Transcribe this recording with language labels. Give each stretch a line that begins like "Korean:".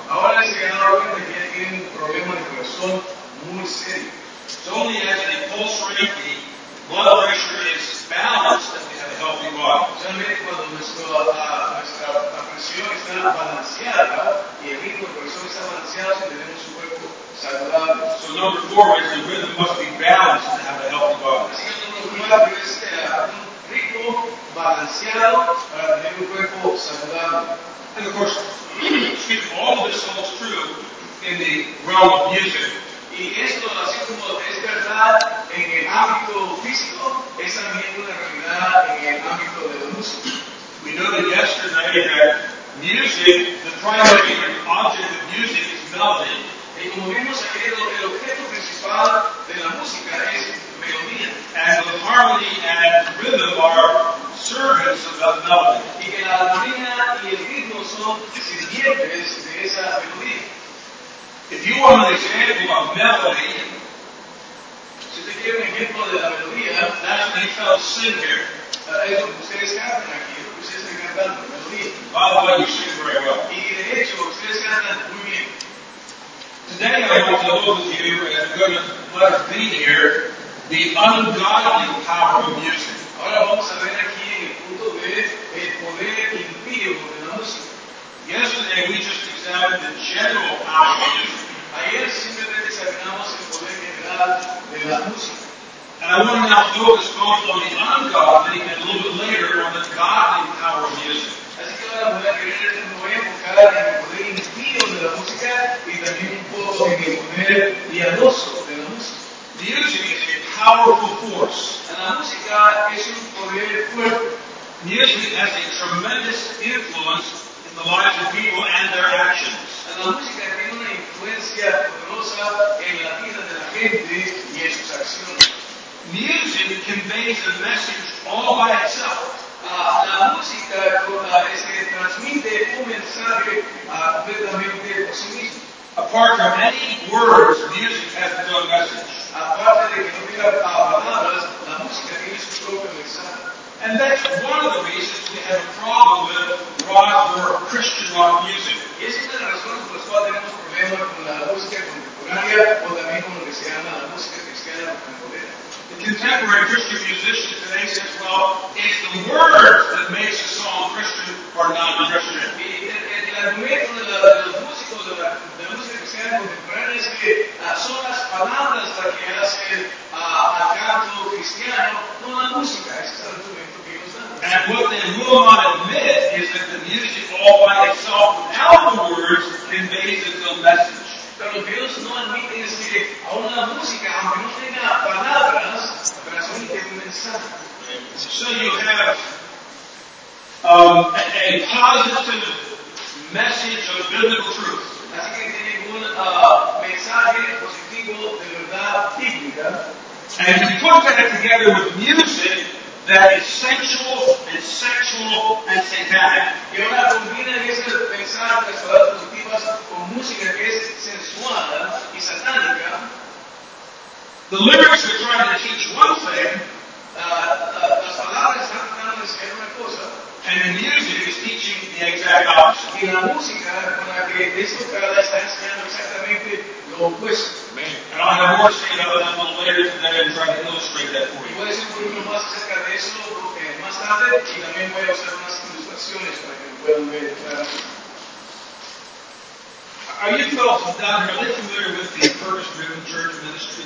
Spanish: Ahora se dieron que tiene un problema de corazón muy serio.
English: So only as a pulse rate, the blood pressure is balanced, that we have a healthy body.
Spanish: Solamente cuando nuestra presión está balanceada y el ritmo de corazón está balanceado, tenemos un cuerpo saludable.
English: So number four is the rhythm must be balanced to have a healthy body.
Spanish: Así que número cuatro es un ritmo balanceado para tener un cuerpo saludable.
English: And of course, excuse me, all of this holds true in the realm of music.
Spanish: Y esto, así como es verdad en el ámbito físico, es también una realidad en el ámbito de la música.
English: We know that yesterday that music, the primary object of music is melody.
Spanish: Y como vimos ayer, el objeto principal de la música es melodía.
English: And the harmony and rhythm are servants of that melody.
Spanish: Y que la armonía y el ritmo son sirvientes de esa melodía.
English: If you want an example of melody,
Spanish: si usted quiere un ejemplo de la melodía,
English: that's what he fell asleep here.
Spanish: Es lo que ustedes cantan aquí, lo que ustedes están cantando, la melodía.
English: By the way, you sing very well.
Spanish: Y de hecho, ustedes cantan muy bien.
English: Today I want to look with you, and I'm going to let us be here, the ungodly power of music.
Spanish: Ahora vamos a ver aquí en el punto B, el poder impío de la música.
English: Yesterday we just examined the general power of music.
Spanish: Ayer simplemente examinamos el poder general de la música.
English: And I want to now focus both on the ungodly and a little bit later on the godly power of music.
Spanish: Así que ahora voy a enfocar en el poder impío de la música y también un poco en el poder piadoso de la música.
English: Music is a powerful force. And
Spanish: la música es un poder fuerte.
English: Music has a tremendous influence in the lives of people and their actions. And
Spanish: la música tiene una influencia poderosa en la vida de la gente y en sus acciones.
English: Music conveys a message all by itself.
Spanish: La música transmite un mensaje completamente por sí mismo.
English: Apart from any words, music has its own message.
Spanish: Aparte de que no tenga palabras, la música tiene su propio mensaje.
English: And that's one of the reasons we have a problem with rock or Christian rock music.
Spanish: Y esa es la razón por la cual tenemos problemas con la música contemporánea o también con lo que se llama la música cristiana contemporánea. The contemporary Christian musician today says, well, it's the words that makes a song Christian or non-Christian. El argumento de los músicos de la música cristiana contemporánea es que son las palabras las que hacen a canto cristiano, no la música. Ese es el argumento que ellos dan.
English: And what they will not admit is that the music all by itself, without the words, conveys its own message.
Spanish: Pero lo que ellos no admiten es que aún la música, aunque no tenga palabras, transmite un mensaje.
English: So you have a positive message of biblical truth.
Spanish: Así que tienen un mensaje positivo de verdad bíblica.
English: And you put that together with music that is sensual and sexual and satanic.
Spanish: Y ahora combina ese mensaje positivo con música que es sensual y satánica.
English: The lyrics are trying to teach one thing,
Spanish: las palabras están tratando de enseñar una cosa,
English: and the music is teaching the exact opposite.
Spanish: Y la música con la que es tocada está enseñando exactamente lo opuesto.
English: And I'll have more to say about that a little later today and try to illustrate that for you.
Spanish: Voy a decir un poquito más acerca de eso más tarde y también voy a usar unas ilustraciones para que puedan ver claramente.
English: Are you folks down here? Are you familiar with the Purpose Driven Church Ministry?